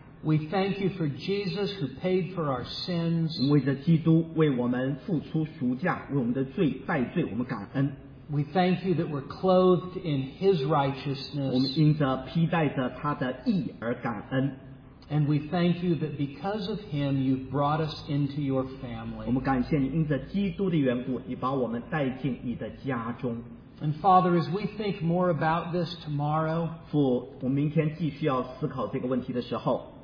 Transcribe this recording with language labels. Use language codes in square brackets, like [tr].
[en] we thank you for Jesus who paid for our sins. [zh] 为着基督为我们付出赎价, 为我们的罪, 代罪, 我们感恩。 [en] We thank you that we're clothed in His righteousness. [zh] 我们因着披戴着他的义而感恩。 [en] And we thank you that because of Him, you've brought us into your family. [zh] 我们感谢你因着基督的缘故, 你把我们带进你的家中。 [en] And Father, as we think more about this tomorrow, [zh] 父,我们明天继续要思考这个问题的时候,